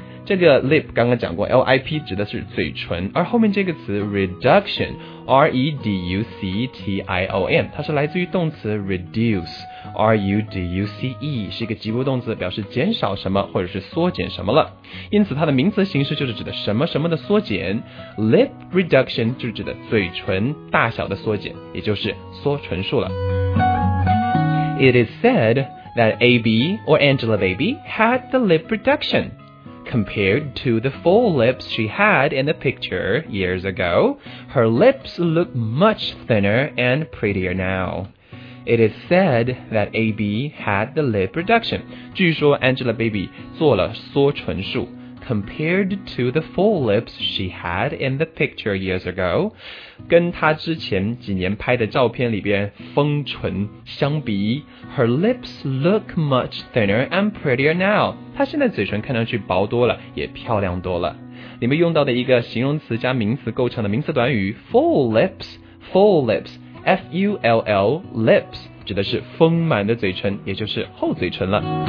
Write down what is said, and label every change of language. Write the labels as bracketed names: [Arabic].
[Chinese] 这个 lip 刚刚讲过 ,lip 指的是嘴唇，而后面这个词 reduction,R-E-D-U-C-T-I-O-N, 它是来自于动词 reduce,R-U-D-U-C-E, 是一个及物动词，表示减少什么或者是缩减什么了。因此它的名词形式就是指的什么什么的缩减， lip reduction 就是指的嘴唇大小的缩减，也就是缩唇术了。 [English] It is said that AB or Angelababy had the lip reduction. Compared to the full lips she had in the picture years ago, her lips look much thinner and prettier now. It is said that AB had the lip reduction. [Chinese] 据说 Angelababy 做了缩唇术。 [English] Compared to the full lips she had in the picture years ago, [Chinese] 跟她之前几年拍的照片里边丰唇相比， [English] her lips look much thinner and prettier now. [Chinese] 她现在嘴唇看上去薄多了，也漂亮多了。里面用到的一个形容词加名词构成的名词短语 [English] full lips, [Chinese] full lips, F-U-L-L, lips, 指的是丰满的嘴唇，也就是厚嘴唇了。